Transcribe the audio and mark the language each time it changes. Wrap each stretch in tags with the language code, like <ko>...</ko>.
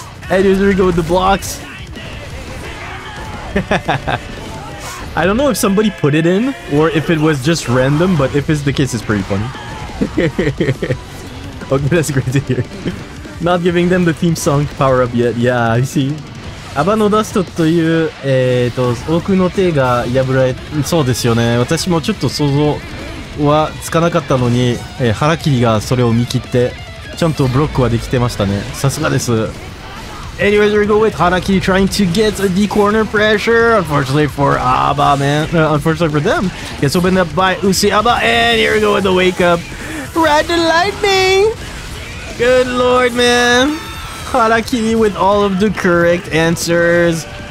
<en>And here we go with the blocks. I don't know if somebody put it in or if it was just random, but if it's the case, it's pretty funny. Okay, that's great to hear. Not giving them the theme song power up yet. Yeah, I see. A.B.A.</en> <ja>の ダストという、奥の手が破られ、そうですよね。私もちょっと想像はつかなかったのに、腹切りがそれを見切って、ちゃんとブロックはできてましたね。さすがです。</ja> <en>Anyways, we go with Harakiri trying to get the corner pressure. Unfortunately for A.B.A., man. Unfortunately for them. Gets opened up by Usui A.B.A. And here we go with the wake up. Ride the lightning! Good lord, man. Harakiri with all of the correct answers.</en>